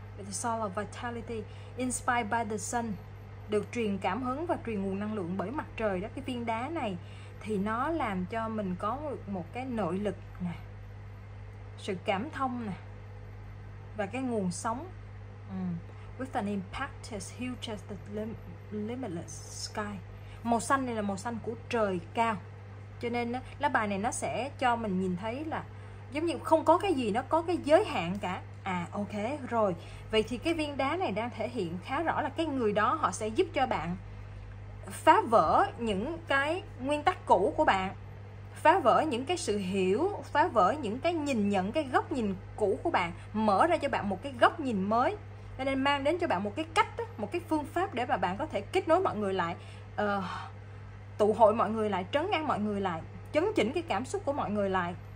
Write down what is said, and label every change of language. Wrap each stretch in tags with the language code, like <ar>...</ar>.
<en>Solar Vitality, Inspired by the Sun,</en> <vi>được truyền cảm hứng và truyền nguồn năng lượng bởi mặt trời đó. Cái viên đá này thì nó làm cho mình có một cái nội lực nè, sự cảm thông nè, và cái nguồn sống.</vi> <en>With an impact as huge as the limitless sky.</en> <vi>Màu xanh này là màu xanh của trời cao, cho nên lá bài này nó sẽ cho mình nhìn thấy là giống như không có cái gì nó có cái giới hạn cả. À ok, rồi. Vậy thì cái viên đá này đang thể hiện khá rõ là cái người đó họ sẽ giúp cho bạn phá vỡ những cái nguyên tắc cũ của bạn, phá vỡ những cái sự hiểu, phá vỡ những cái nhìn nhận, cái góc nhìn cũ của bạn, mở ra cho bạn một cái góc nhìn mới, nên mang đến cho bạn một cái cách, một cái phương pháp để mà bạn có thể kết nối mọi người lại, tụ hội mọi người lại, trấn an mọi người lại, chấn chỉnh cái cảm xúc của mọi người lại.</vi>